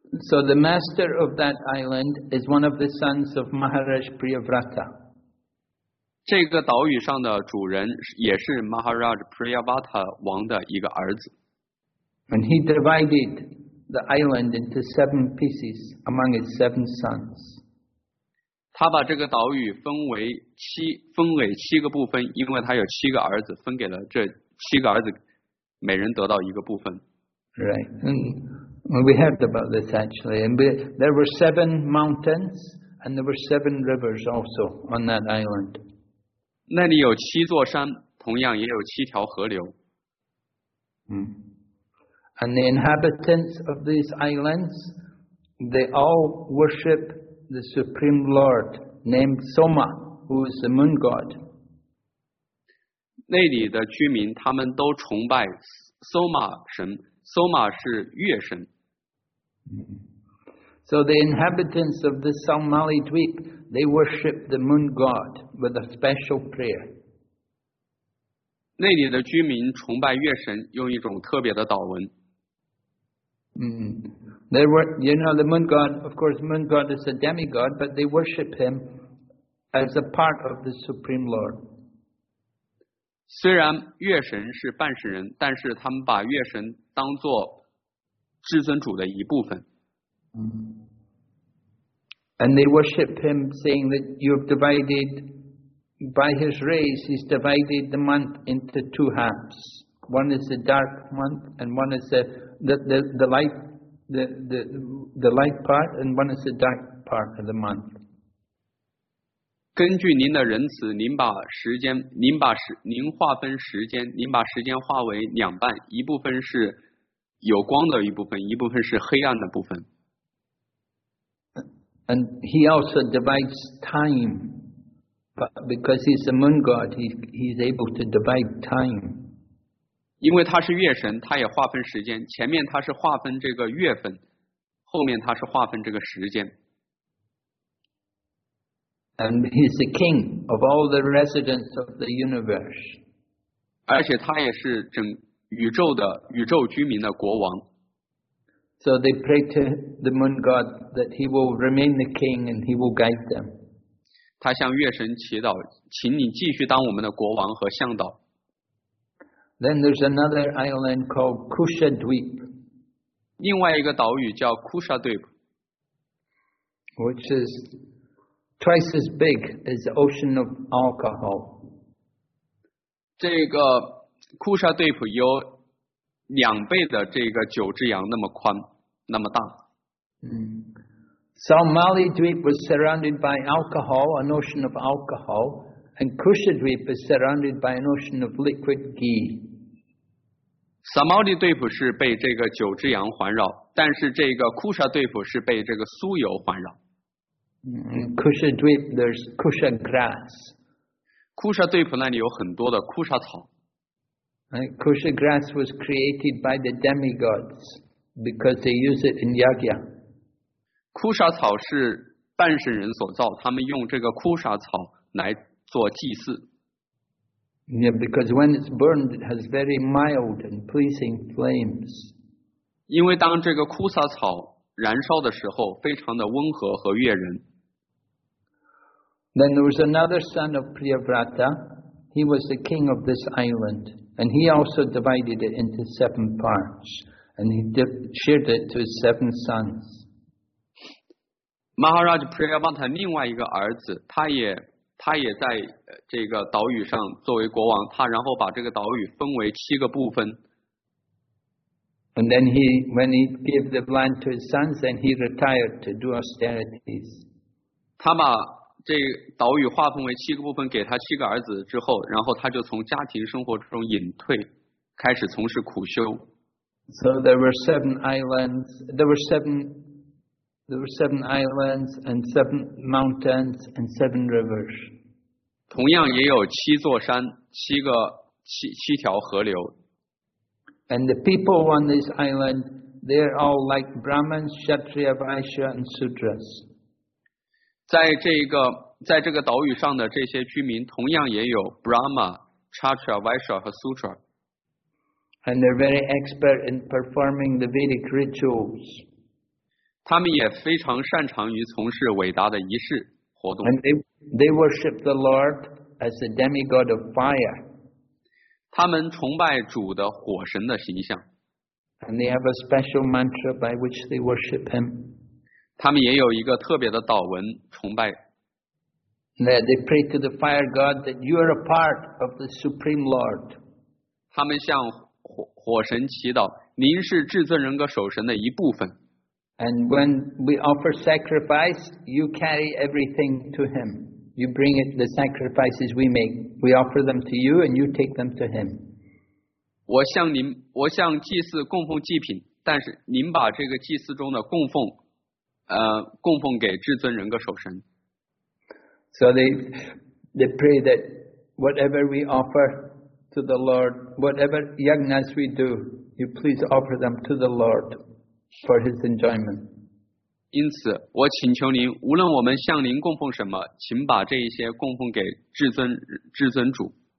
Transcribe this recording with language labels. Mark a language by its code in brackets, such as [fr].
[en] So the master of that island is one of the sons of Maharaj Priyavrata. [zh] 这个岛屿上的主人也是 Maharaj Priyavrata 王的一个儿子。 [en] And he divided the island into seven pieces among his seven sons. [zh] 他把这个岛屿分为七个部分，因为他有七个儿子，分给了这七个儿子，每人得到一个部分。 [en] Right, and we heard about this actually, and there were seven mountains and there were seven rivers also on that island. [zh] 那里有七座山，同样也有七条河流。 [en] And the inhabitants of these islands, they all worship. The Supreme Lord named Soma, who is the moon god. [zh] 那里的居民他们都崇拜 Soma 神 ，Soma 是月神。 [en] So the inhabitants of the Somali Dweep they worship the moon god with a special prayer. [zh] 那里的居民崇拜月神，用一种特别的祷文。 [en] There were, you know, the moon god, of course, moon god is a demigod, but they worship him as a part of the Supreme Lord. [zh] 虽然月神是半神人，但是他们把月神当作至尊主的一部分。 [en] And they worship him saying that you've divided, by his rays, he's divided the month into two halves. One is the dark month and one is the light. The light part and one is the dark part of the month. [zh] 根据您的仁慈，您划分时间，您把时间划为两半，一部分是有光的一部分，一部分是黑暗的部分。 [en] And he also divides time, but because he's a moon god, he's able to divide time. [zh] 因为他是月神，他也划分时间。前面他是划分这个月份，后面他是划分这个时间。 [en] And he's the king of all the residents of the universe. [zh] 而且他也是整宇宙的宇宙居民的国王。 [en] So they pray to the moon god that he will remain the king and he will guide them. [zh] 他向月神祈祷，请你继续当我们的国王和向导。 [en] Then there's another island called Kusha Dweep. [zh] 另外一个岛屿叫 Kusha Dweep, [en] which is twice as big as the ocean of alcohol. [zh] 这个 Kusha Dweep 有两倍的这个九只羊那么宽，那么大。 [en] Somali Dweep was surrounded by alcohol, an ocean of alcohol, and Kusha Dweep is surrounded by an ocean of liquid ghee. [zh] 萨摩利对普是被这个九只羊环绕，但是这个库沙对普是被这个酥油环绕。 [en] Kusha Dweep, there's Kusha grass. [zh] 库沙对普那里有很多的库沙草。 [en] Kusha grass was created by the demigods because they use it in yagya. [zh] 库沙草是半神人所造，他们用这个库沙草来做祭祀。 [en] Yeah, because when it's burned, it has very mild and pleasing flames. [zh] 因为当这个枯沙草燃烧的时候，非常的温和和悦人。 [en] Then there was another son of Priyavrata. He was the king of this island, and he also divided it into seven parts, and he shared it to his seven sons. [zh] Maharaj Priyavrata 另外一个儿子，他也在这个岛屿上作为国王，他然后把这个岛屿分为七个部分。 [en] And then when he gave the land to his sons, then he retired to do austerities. [zh] 他把这岛屿划分为七个部分，给他七个儿子之后，然后他就从家庭生活中隐退，开始从事苦修。 [en] So there were seven islands and seven mountains and seven rivers. [zh] 同样也有七座山，七条河流。 [en] And the people on this island they are all like Brahman, Kshatriya, Vaishya, and Sudras. [zh] 在这个岛屿上的这些居民同样也有 Brahma, Kshatriya, Vaishya, 和 Sudra. [en] And they're very expert in performing the Vedic rituals. [zh] 他们也非常擅长于从事伟达的仪式活动。 [en] And they worship the Lord as a demigod of fire. [zh] 他们崇拜主的火神的形象。 [en] And they have a special mantra by which they worship him. [zh] 他们也有一个特别的祷文崇拜。 [en] They pray to the fire god that you are a part of the supreme lord. [zh] 他们向火神祈祷，您是至尊人格守神的一部分。 [en] And when we offer sacrifice, you carry everything to him. You bring it, the sacrifices we make. We offer them to you and you take them to him. [zh] 我向祭祀供奉祭品，但是您把这个祭祀中的供奉给至尊人格守神。 [en] So they pray that whatever we offer to the Lord, whatever yagnas we do, you please offer them to the Lord for his enjoyment. [zh] 因此我请求您，无论我们向您供奉什么，请把这一些供奉给至尊主。